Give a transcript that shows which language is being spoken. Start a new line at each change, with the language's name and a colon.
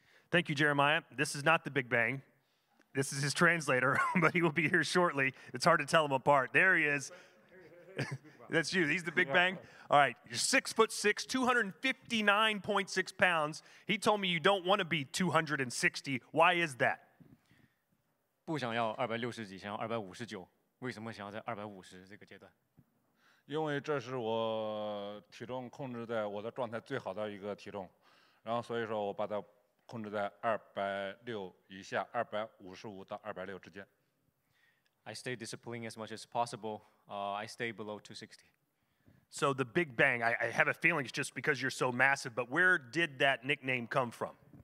English: Thank you, Jeremiah. This is not the Big Bang. This is his translator, but he will be here shortly. It's hard to tell him apart. There he is. That's you. He's the Big Bang. All right. You're 6'6", 259.6 pounds. He told me you don't want to be 260. Why is that?
Chinese: 不想要250几箱,259。为什么想要在250这个阶段?因为这是我体重控制在我的状态最好的一个体重,然后所以说我把它控制在260以下,255到265之间。
English: I stay disciplined as much as possible. I stay below 260. So the Big Bang, I have a feeling it's just because you're so massive, but where did that nickname come from?